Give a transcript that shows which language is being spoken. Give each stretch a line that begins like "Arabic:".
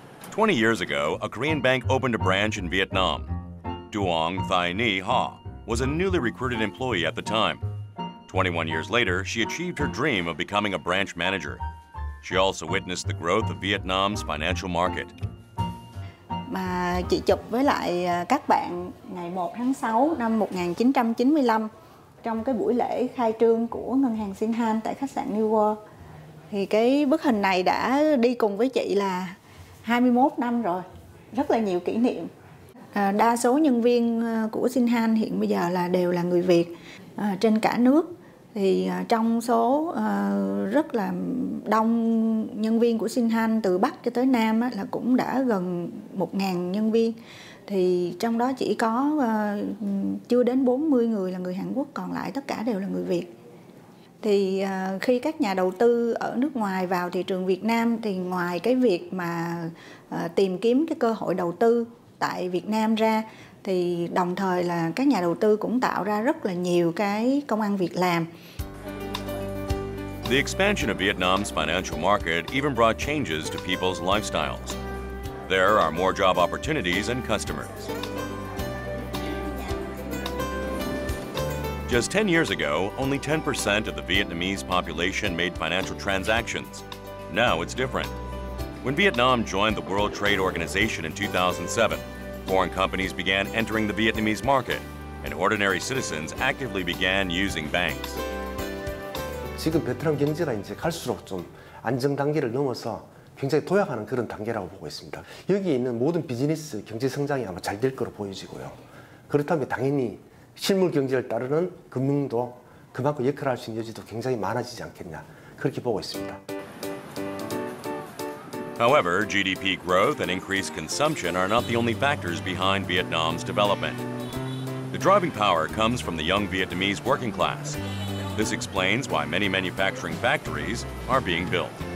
English: 20 years ago, a Korean bank opened a branch in Vietnam. Duong Thai Nhi Ha was a newly recruited employee at the time. 21 years later, she achieved her dream of becoming a branch manager. She also witnessed the growth of Vietnam's financial market.
Vietnamese: Mà chị chụp với lại các bạn ngày 1 tháng 6 năm 1995 trong cái buổi lễ khai trương của ngân hàng Shinhan tại khách sạn New World. Thì cái bức hình này đã đi cùng với chị là 21 năm rồi, rất là nhiều kỷ niệm. Đa số nhân viên của Shinhan hiện bây giờ là đều là người Việt trên cả nước. Thì trong số rất là đông nhân viên của Shinhan từ Bắc cho tới Nam là cũng đã gần 1.000 nhân viên. Thì trong đó chỉ có chưa đến 40 người là người Hàn Quốc, còn lại tất cả đều là người Việt. Thì khi các nhà đầu tư ở nước ngoài vào thị trường Việt Nam thì ngoài cái việc mà tìm kiếm cái cơ hội đầu tư tại Việt Nam ra thì đồng thời là các nhà đầu tư cũng tạo ra rất là nhiều cái công ăn việc làm.
English: The expansion of Vietnam's financial market even brought changes to people's lifestyles. There are more job opportunities and customers. Just 10 years ago, only 10% of the Vietnamese population made financial transactions. Now it's different. When Vietnam joined the World Trade Organization in 2007, foreign companies began entering the Vietnamese market, and ordinary citizens actively began using banks.
Korean: 지금 베트남 경제가 이제 갈수록 좀 안정 단계를 넘어서 굉장히 도약하는 그런 단계라고 보고 있습니다. 여기 있는 모든 비즈니스 경제 성장이 아마 잘 될 거로 보여지고요. 그렇다면 당연히 실물 경제를 따르는 금융도 그만큼 역할을 할 수 있는 여지도 굉장히 많아지지 않겠냐 그렇게 보고 있습니다.
English: However, GDP growth and increased consumption are not the only factors behind Vietnam's development. The driving power comes from the young Vietnamese working class. This explains why many manufacturing factories are being built.